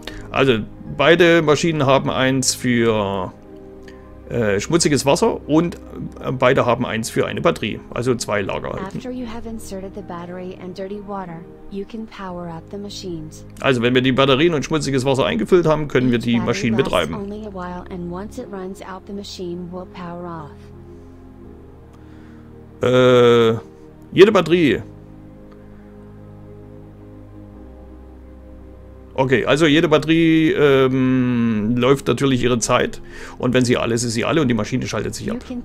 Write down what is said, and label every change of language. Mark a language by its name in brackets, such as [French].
[German] Also beide Maschinen haben eins für schmutziges Wasser und beide haben eins für eine Batterie, also zwei Lager. [English] After you have inserted the battery and dirty water, you can power up the machines. [German] Also wenn wir die Batterien und schmutziges Wasser eingefüllt haben, können wir die Maschinen betreiben. [English] Only a while and once it runs out, the machine will power off. [German] Jede Batterie. Okay, also jede Batterie läuft natürlich ihre Zeit und wenn sie alle ist, ist sie alle und die Maschine schaltet sich ab.